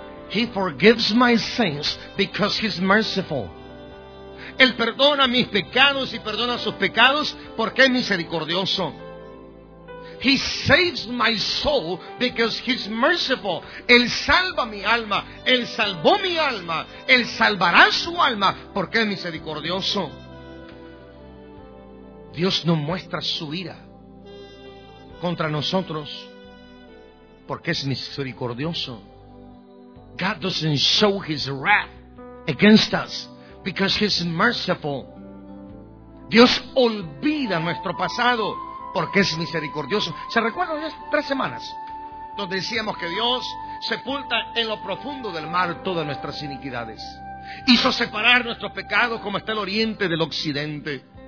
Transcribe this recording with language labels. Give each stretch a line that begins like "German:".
English: He forgives my sins because he's merciful.
Spanish: Él perdona mis pecados y perdona sus pecados porque es misericordioso.
English: He saves my soul because he's merciful.
Spanish: Él salva mi alma. Él salvó mi alma. Él salvará su alma porque es misericordioso. Dios no muestra su ira contra nosotros porque es misericordioso.
English: God doesn't show his wrath against us because he's merciful.
Spanish: Dios olvida nuestro pasado porque es misericordioso. ¿Se recuerdan de 3 semanas? Donde decíamos que Dios sepulta en lo profundo del mar todas nuestras iniquidades. Hizo separar nuestros pecados como está el oriente del occidente.